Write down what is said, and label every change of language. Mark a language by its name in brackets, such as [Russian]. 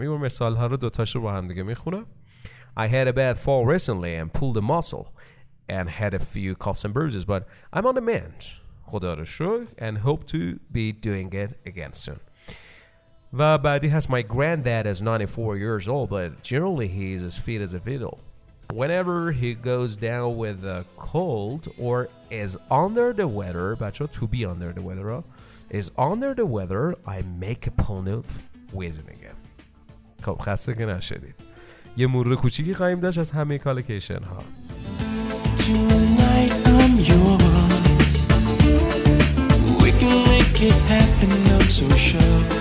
[Persian] این مثال ها رو دوتاش رو با هم دیگه میخونم. [English] I had a bad fall recently and pulled a muscle and had a few cuts and bruises, but I'm on the mend, [Persian] خدا رو شکر, [English] and hope to be doing it again soon. [Persian] و بعدی هست, [English] my granddad is 94 years old, but generally he is as fit as a fiddle. Whenever he goes down with a cold or is under the weather, [Persian] بچه ها, [English] to be under the weather, is under the weather, I make a point of visiting him. [Persian] خب خسته که نشدید. یه مرور کوچیکی خواهیم داشت از همه کالکیشن ها. [English] Tonight I'm yours. We can make it happen, I'm so sure.